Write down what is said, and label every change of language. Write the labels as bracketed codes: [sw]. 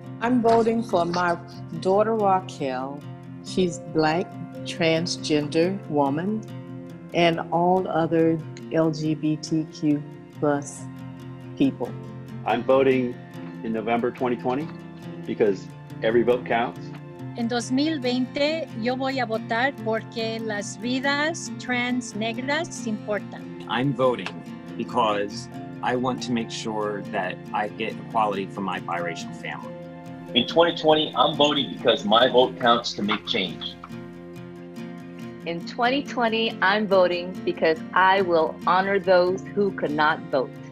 [en] I'm voting for my daughter Raquel. She's Black, transgender woman, and all other LGBTQ plus people. I'm voting in November 2020, because every vote counts. [es] En 2020, yo voy a votar porque las vidas trans negras importan. [en] I'm voting because I want to make sure that I get equality for my biracial family. In 2020, I'm voting because my vote counts to make change. In 2020, I'm voting because I will honor those who cannot vote.